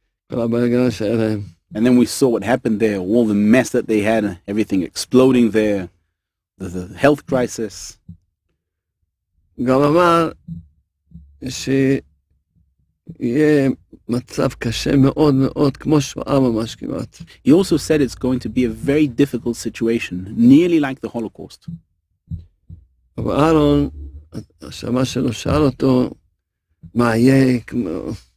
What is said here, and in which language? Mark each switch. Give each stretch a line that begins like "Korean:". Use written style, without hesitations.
English: And then we saw what happened there, all the mess that they had, everything exploding there, the health crisis.
Hebrew: גם אמר שיהיה מצב קשה מאוד מאוד, כמו שואה ממש כמעט.
English: He also said it's going to be a very difficult situation, nearly like the Holocaust.
Hebrew: אבל אהרון, השמה שלו שאל אותו, מה יהיה כמו...